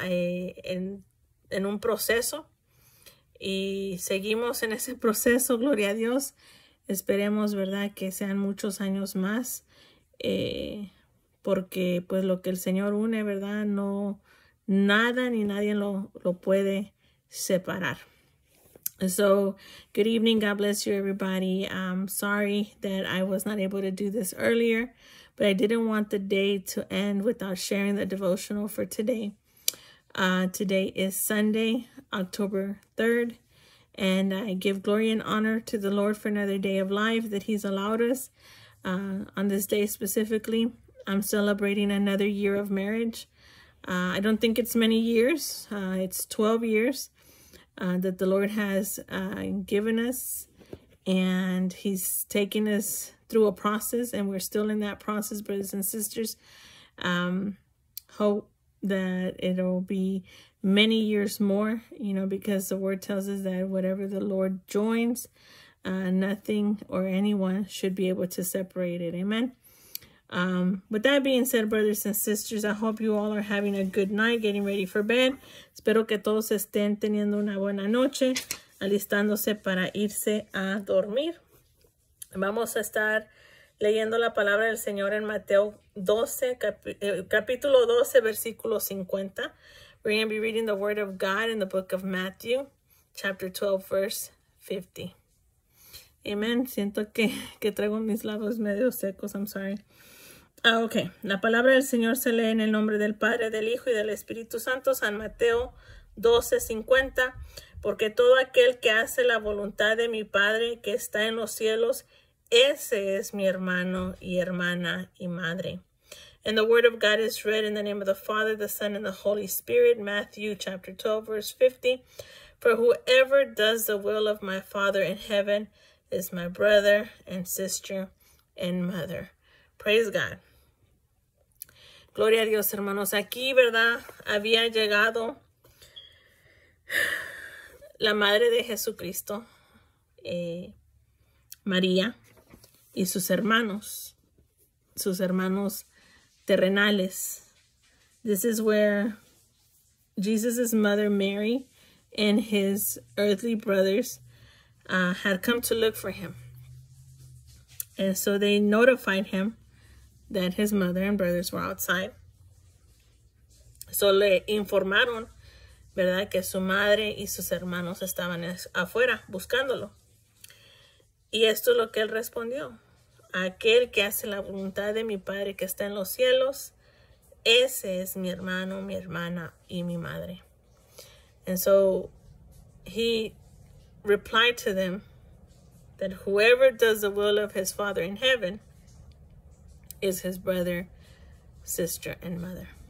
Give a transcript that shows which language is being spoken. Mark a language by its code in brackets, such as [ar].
[es] En un proceso, y seguimos en ese proceso, gloria a Dios. Esperemos, ¿verdad?, que sean muchos años más, porque pues lo que el Señor une, ¿verdad?, no, nada ni nadie lo puede separar. [en] So, good evening, God bless you everybody. I'm sorry that I was not able to do this earlier, but I didn't want the day to end without sharing the devotional for today. Today is Sunday, October 3rd, and I give glory and honor to the Lord for another day of life that He's allowed us. On this day specifically, I'm celebrating another year of marriage. I don't think it's many years. It's 12 years that the Lord has given us, and He's taken us through a process, and we're still in that process, brothers and sisters. Hope that it'll be many years more, you know, because the word tells us that whatever the Lord joins, nothing or anyone should be able to separate it. Amen. With that being said, brothers and sisters, I hope you all are having a good night, getting ready for bed. [es] Espero que todos estén teniendo una buena noche, alistándose para irse a dormir. Vamos a estar leyendo la palabra del Señor en Mateo 12, capítulo 12, versículo 50. [en] We're going to be reading the word of God in the book of Matthew, chapter 12, verse 50. [es] Amen. Siento que traigo mis labios medio secos. [en] I'm sorry. [es] Ah, okay. La palabra del Señor se lee en el nombre del Padre, del Hijo y del Espíritu Santo. San Mateo 12, 50. Porque todo aquel que hace la voluntad de mi Padre que está en los cielos, ese es mi hermano y hermana y madre. [en] And the word of God is read in the name of the Father, the Son, and the Holy Spirit. Matthew chapter 12, verse 50. For whoever does the will of my Father in heaven is my brother and sister and mother. Praise God. [es] Gloria a Dios, hermanos. Aquí, ¿verdad?, había llegado la madre de Jesucristo, María, y sus hermanos terrenales. [en] This is where Jesus's mother Mary and his earthly brothers had come to look for him. And so they notified him that his mother and brothers were outside. [es] So le informaron, ¿verdad?, que su madre y sus hermanos estaban afuera buscándolo. Y esto es lo que él respondió. Aquel que hace la voluntad de mi Padre que está en los cielos, ese es mi hermano, mi hermana y mi madre. [en] And so he replied to them that whoever does the will of his Father in heaven is his brother, sister, and mother.